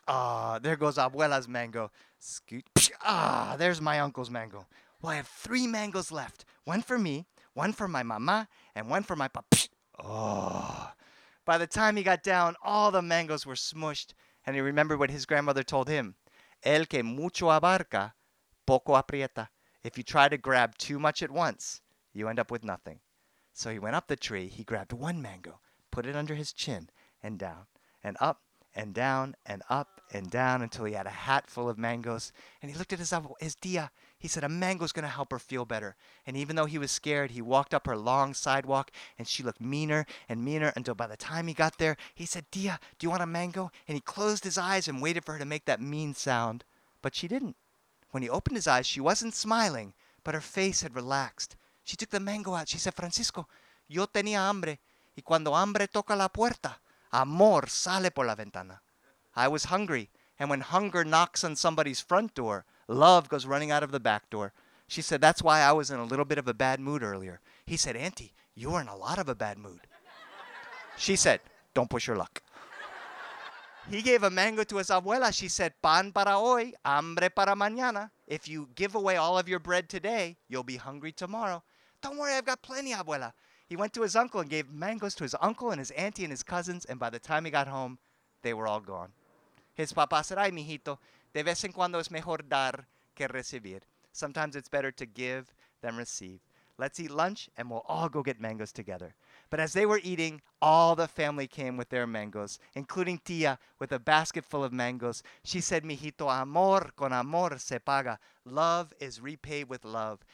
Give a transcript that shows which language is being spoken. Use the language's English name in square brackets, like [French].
[English] Ah, there goes Abuela's mango. Scoot. Ah, there's my uncle's mango. Well, I have 3 mangoes left. One for me, one for my mama, and one for my papa. Oh. By the time he got down, all the mangoes were smushed. And he remembered what his grandmother told him. [Spanish] El que mucho abarca, poco aprieta. [English] If you try to grab too much at once, you end up with nothing. So he went up the tree. He grabbed 1 mango, put it under his chin, and down, and up, and down, and up, and down, until he had a hat full of mangoes. And he looked at his tía. He said, a mango's going to help her feel better. And even though he was scared, he walked up her long sidewalk, and she looked meaner and meaner until by the time he got there, he said, tía, do you want a mango? And he closed his eyes and waited for her to make that mean sound. But she didn't. When he opened his eyes, she wasn't smiling, but her face had relaxed. She took the mango out. She said, [Spanish] Francisco, yo tenía hambre, y cuando hambre toca la puerta, amor sale por la ventana. [English] I was hungry, and when hunger knocks on somebody's front door, love goes running out of the back door. She said, that's why I was in a little bit of a bad mood earlier. He said, Auntie, you were in a lot of a bad mood. She said, don't push your luck. He gave a mango to his abuela. She said, [Spanish] pan para hoy, hambre para mañana. [English] If you give away all of your bread today, you'll be hungry tomorrow. Don't worry, I've got plenty, abuela. He went to his uncle and gave mangoes to his uncle and his auntie and his cousins. And by the time he got home, they were all gone. His papa said, [Spanish] ay, mijito, de vez en cuando es mejor dar que recibir. [English] Sometimes it's better to give than receive. Let's eat lunch and we'll all go get mangoes together. But as they were eating, all the family came with their mangoes, including tía with a basket full of mangoes. She said, mijito, [Spanish] amor con amor se paga. [English] Love is repaid with love.